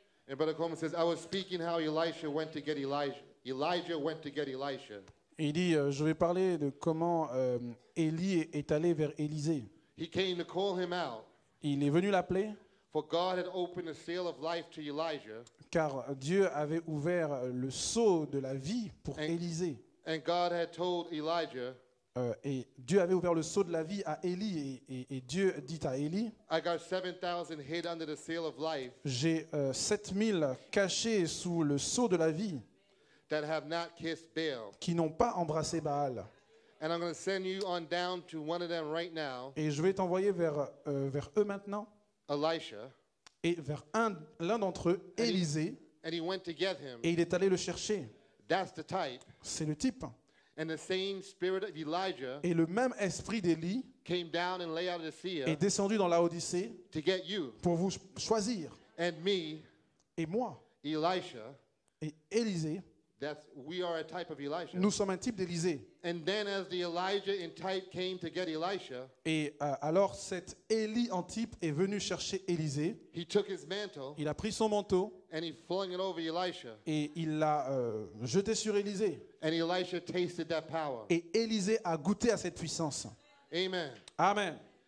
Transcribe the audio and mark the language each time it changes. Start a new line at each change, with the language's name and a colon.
English: And Brother Coleman says, I was speaking how Elisha went to get Elijah. Elijah went to get Elisha.
French: Il dit, je vais parler de comment Élie est allé vers Élisée.
English: He came to call him out.
French: Il est venu l'appeler.
English: For God had opened the seal of life to Elijah.
French: Car Dieu avait ouvert le sceau de la vie pour Élisée.
English: And God had told Elijah.
French: Et Dieu avait ouvert le sceau de la vie à Élie et Dieu dit à Élie,
English: I got 7,000 hid under the seal of life.
French: J'ai 7,000 cachés sous le sceau de la vie.
English: That have not kissed Baal.
French: Qui n'ont pas embrassé Baal.
English: And I'm going to send you on down to one of them right now.
French: Et je vais t'envoyer vers eux maintenant.
English: Elisha.
French: Et vers l'un d'entre eux, Élisée.
English: And he went to get him.
French: Et il est allé le chercher.
English: That's the type.
French: C'est le type.
English: And the same spirit of Elijah.
French: Et le même esprit d'Élie.
English: Came down in Laodicea.
French: Est descendu dans Laodicée.
English: To get you.
French: Pour vous choisir.
English: And me.
French: Et moi.
English: Elisha.
French: Et Élisée.
English: That's, we are a type of Elijah.
French: Nous sommes un type d'Élisée.
English: And then as the Elijah in type came to get Elisha,
French: et alors cet Élie en type est venu chercher Élisée.
English: He took his mantle,
French: il a pris son manteau
English: and he flung it over Elisha,
French: et il l'a jeté sur Élisée.
English: And Elisha tasted that power.
French: Et Élisée a goûté à cette puissance.
English: Amen.
French: Amen.